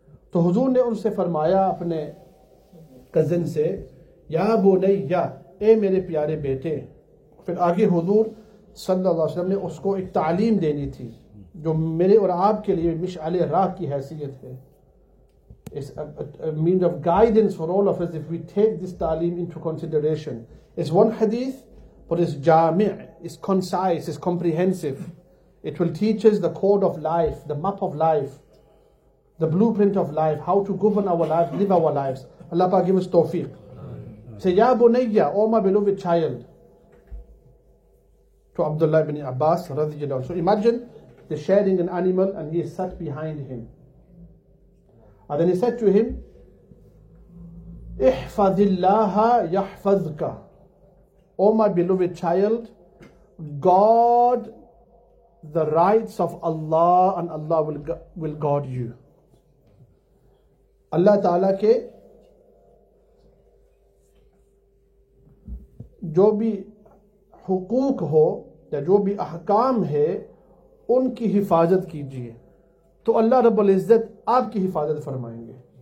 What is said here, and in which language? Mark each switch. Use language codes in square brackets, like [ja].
[ur] تو حضور نے ان سے فرمایا اپنے کزن سے یا بنیا, اے میرے پیارے بیٹے. پھر آگے حضور صلی اللہ علیہ وسلم نے اس کو ایک تعلیم دینی تھی جو میرے اور آپ کے لیے مشعل راہ کی حیثیت ہے. [en] It's a means of guidance for all of us if we take this ta'lim into consideration. It's one hadith, but it's jami', it's concise, it's comprehensive. It will teach us the code of life, the map of life, the blueprint of life, how to govern our life, live our lives. Allah Pa give us tawfiq. Say, Ya Bunayya, O my beloved child, to Abdullah ibn Abbas radiyallahu anhu. So imagine the sharing an animal and he is sat behind him. And then he said to him, [ar] احفظِ اللَّهَ يَحْفَظْكَ. [en] O my beloved child, guard the rights of Allah and Allah will guard you. [ur] Allah Ta'ala کے جو بھی حقوق ہو یا جو بھی احکام ہے ان کی حفاظت کیجئے, تو اللہ رب العزت آپ کی حفاظت فرمائیں گے.